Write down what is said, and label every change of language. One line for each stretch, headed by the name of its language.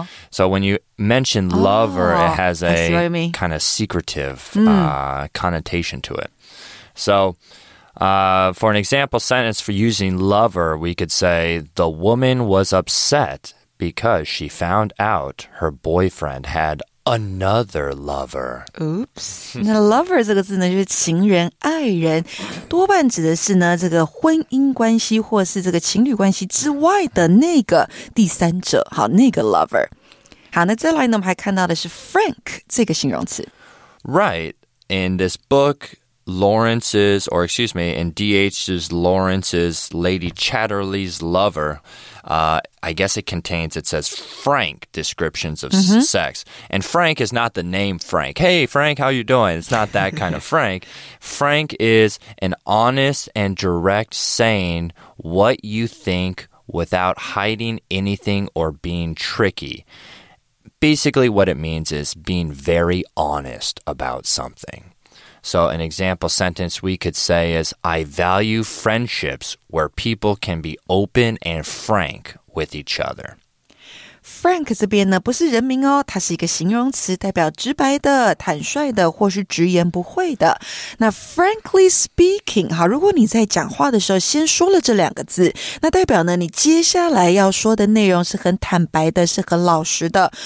English: So when you mention lover, it has a kind of secretive connotation to it. So for an example sentence for using lover, we could say the woman was upset because she found out her boyfriend had another lover. Oops.
Chinese: 那 lover 这个字呢，就是情人、爱人，多半指的是呢这个婚姻关系或是这个情侣关系之外的那个第三者。好，那个 lover。好，那再来呢，我们还看到的是 frank 这个形容词。
English: Right. In this book, in D.H.'s Lawrence's Lady Chatterley's Lover. I guess it says frank descriptions of sex. And frank is not the name Frank. Hey, Frank, how you doing? It's not that kind of frank. Frank is an honest and direct saying what you think without hiding anything or being tricky. Basically, what it means is being very honest about something. So an example sentence we could say is, I value friendships where people can be open and frank with each other.
Chinese: Frank 这边呢不是人名哦，它是一个形容词，代表直白的、坦率的或是直言不讳的。那
English: frankly speaking,
Chinese: 好，如果你在讲话的时候先说了这两个字，那代表呢你接下来要说的内容是很坦白的，是很老实的。